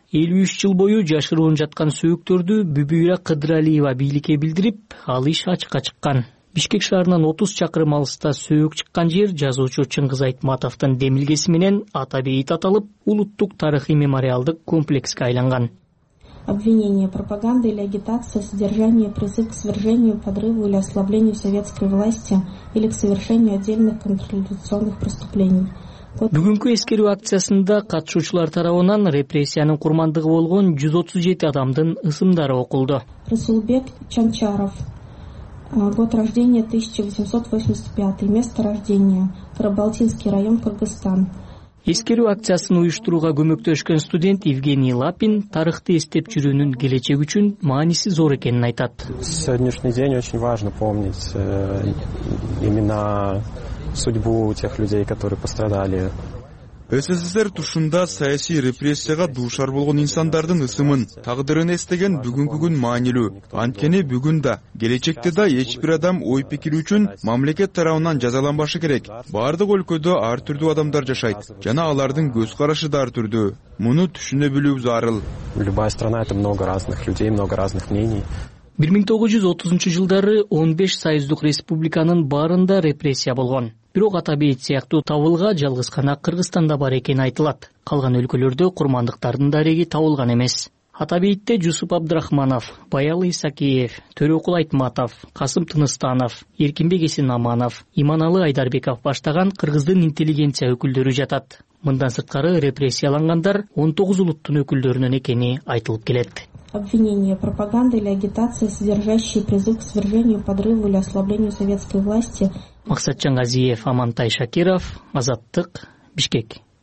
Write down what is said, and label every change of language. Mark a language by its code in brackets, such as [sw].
[ky] 53 жыл бою жашыруун жаткан сөөктөрдү Бүбүйрө Кыдыралиева бийликке билдирип, ал иш ачыкка чыккан. Бишкек шаарынан 30 чакырым алыста сөөк чыккан жер жазуучу Чыңгыз Айтматовдун демилгеси менен ата бейит аталып, улуттук тарыхый мемориалдык комплекске айланган. [ru] обвинение, пропаганда или агитация, содержание, призыв к свержению, подрыву или ослаблению советской власти или к совершению отдельных контрреволюционных преступлений. [ky] Бүгүнкү эскерүү акциясында катышуучулар тарабынан репрессиянын курмандыгы болгон 137 адамдын ысымдары окулду. [ru] Расулбек Чанчаров. Год рождения 1885, место рождения Карабалтинский район, Кыргызстан. [ky] Эскерүү акциясын уюштурууга көмөктөшкөн студент Евгений Лапин тарыхты эстеп жүрүүнүн келечеги үчүн мааниси зор экенин айтат. [ru] Сегодняшний день очень важно помнить имена, судьбу тех людей, которые пострадали. [ky] СССР тушунда саясий репрессияга дуушар болгон инсандардын ысымын, тагдырын эстеген бүгүнкү күн маанилүү. Анткени бүгүн да, келечекте да эч бир адам ой пикири үчүн мамлекет тарабынан жазаланбашы керек. Бардык өлкөдө ар түрдүү адамдар жашайт жана алардын көз карашы да ар түрдүү. Муну түшүнө билүү зарыл. [ru] Любая страна это много разных людей, много разных мнений. [ky] 1930-жылдары 15 союздук республиканын баарында репрессия болгон. Бирок атап айтсакту табылга жалгыз гана Кыргызстанда бар экени айтылат. Калган өлкөлөрдө курмандыктардын дареги табылган эмес. Атап айтты Жусуп Абдрахманов, Баялы Исакиев, Төрөкул Айтматов, Касым Тыныстанов, Эркинбек Эсинаманов, Иманалы Айдарбеков баштаган кыргыздын интеллигенция өкүлдөрү жатат. Мындан сырткары репрессияланганлар 19 улуттун өкүлдөрүнөн экени айтылып келет. [ru] Обвинение, пропаганда или агитация, содержащие призыв к свержению, подрыву или ослаблению советской власти. [ky] Максат Чангазиев, Амантай Шакиров, Азаттык, Бишкек.